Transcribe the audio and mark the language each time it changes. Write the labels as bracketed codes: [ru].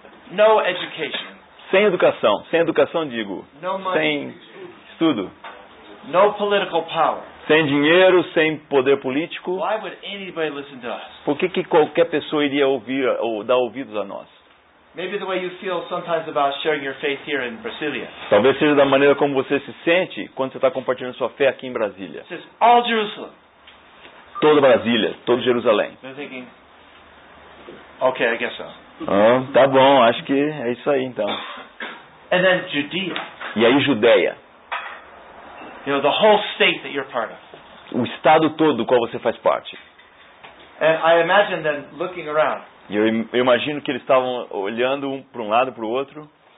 [en] No education. [pt] Sem educação. Sem educação, digo. [en] No money. [pt] Sem estudo. [en] No political power. [pt] Sem dinheiro, sem poder político. [en] Why would anybody listen to us? [pt] Por que qualquer pessoa iria ouvir ou dar ouvidos a nós? [en] Maybe the way you feel sometimes about sharing your faith here in Brasília. [pt] Talvez seja da maneira como você se sente quando você está compartilhando sua fé aqui em Brasília. [en] It says all Jerusalem. [pt] Toda Brasília, todo Jerusalém. [en] You're thinking, okay, I guess so. [pt] Tá bom, acho que é isso aí então. [en] And then Judea. [pt] E aí Judeia. [en] You know, the whole state that you're part of. [pt] O estado todo do qual você faz parte. [en] And I imagine them looking around. [pt] E eu imagino que eles estavam olhando um para um lado, para o outro.